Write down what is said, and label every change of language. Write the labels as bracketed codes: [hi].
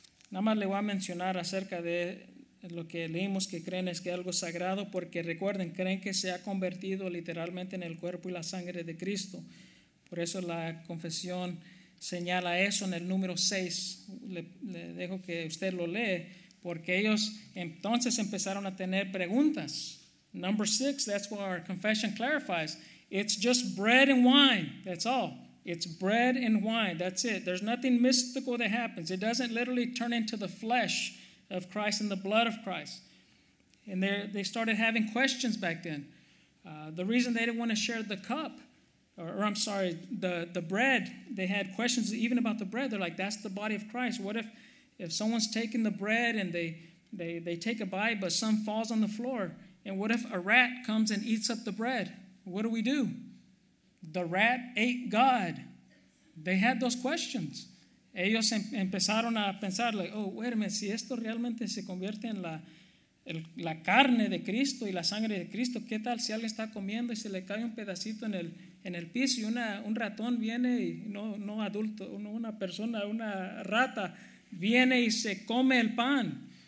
[es] Nada más le voy a mencionar acerca de lo que leímos, que creen es que algo sagrado, porque recuerden, creen que se ha convertido literalmente en el cuerpo y la sangre de Cristo. Por eso la confesión señala eso en el número 6. Le dejo que usted lo lee, porque ellos entonces empezaron a tener preguntas. [en] Number 6, that's what our confession clarifies. It's just bread and wine, that's all. It's bread and wine, that's it. There's nothing mystical that happens. It doesn't literally turn into the flesh of Christ and the blood of Christ. And they started having questions back then. The reason they didn't want to share the cup, the bread, they had questions even about the bread. They're like, that's the body of Christ. What if someone's taking the bread and they take a bite, but some falls on the floor? And what if a rat comes and eats up the bread? What do we do? The rat ate God. They had those questions. [es] Ellos empezaron a pensar, [en] like, oh, wait a minute, [es] si esto realmente se convierte en la carne de Cristo y la sangre de Cristo, ¿qué tal si alguien está comiendo y se le cae un pedacito en el piso y un ratón viene, y no adulto, una persona, una rata, viene y se come el pan?